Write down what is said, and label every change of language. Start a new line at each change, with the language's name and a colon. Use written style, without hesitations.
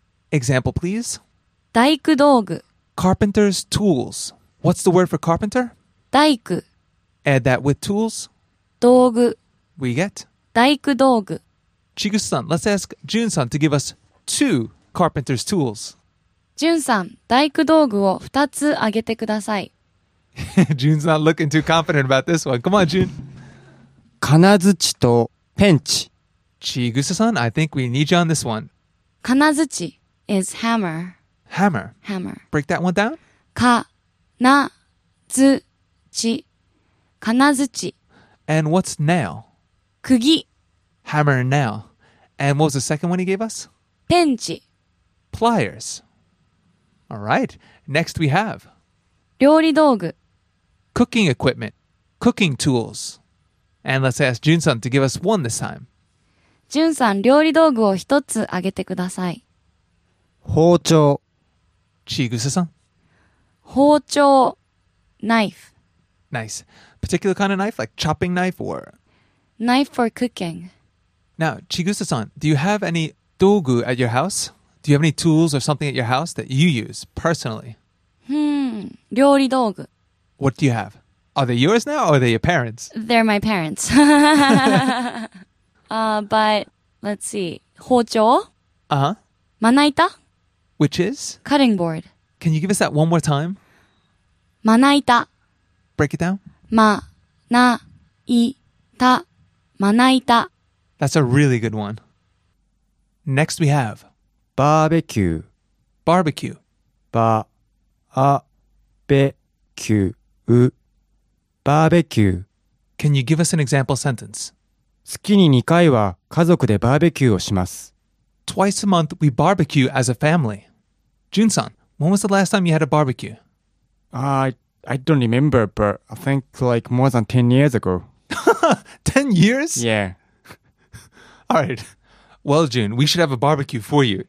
English: Example please.
Japanese: 大工道具
English: Carpenter's tools. What's the word for carpenter?
Japanese: 大工
English: Add that with tools.
Japanese: 道具
English: We get?
Japanese: 大工道具
English: Chigusa-san, let's ask Jun-san to give us two carpenter's tools.
Japanese: Jun-san, 大工道具を2つあげてください。
English: Jun's not looking too confident about this one. Come on, Jun.
Japanese: 金づちとペンチ。
English: Chigusa-san, I think we need you on this one. 金づち is hammer. Hammer. Hammer. Break that one down.
Japanese: 金づち。金づち。
English: And what's nail?
Japanese: 釘。
English: Hammer and nail. And what was the second one he gave us?
Japanese: ペンチ。
English: Pliers. All right, next we have
Japanese: 料理道具
English: Cooking equipment, cooking tools. And let's ask Jun-san to give us one this time.
Japanese: Jun-san, 料理道具を一つあげてください。包丁
English: Chigusa-san. 包丁 knife. Nice. Particular kind of knife, like chopping knife or? Knife for cooking. Now, Chigusa-san, do you have any 道具 at your house? Do you have any tools or something at your house that you use personally?
Japanese: Hmm, 料理道具.
English: What do you have? Are they yours now or are they your parents? They're my parents. but let's see. 包丁. Uh-huh.
Japanese: まな板.
English: Which is? Cutting board. Can you give us that one more time?
Japanese: まな板.
English: Break it down.
Japanese: まな板.まな板.
English: That's a really good one. Next we have.
Japanese: バーベキュー。バーベキュー。バー、あ、べ、キュー。バーベキュー。
English: Can you give us an example sentence?
Japanese: 月に2回は家族でバーベキューをします。
English: Twice a month we barbecue as a family. Jun-san, when was the last time you had a barbecue? I don't remember, but I think like more than 10 years ago. 10 years? Yeah. All right. Well, Jun, we should have a barbecue for you.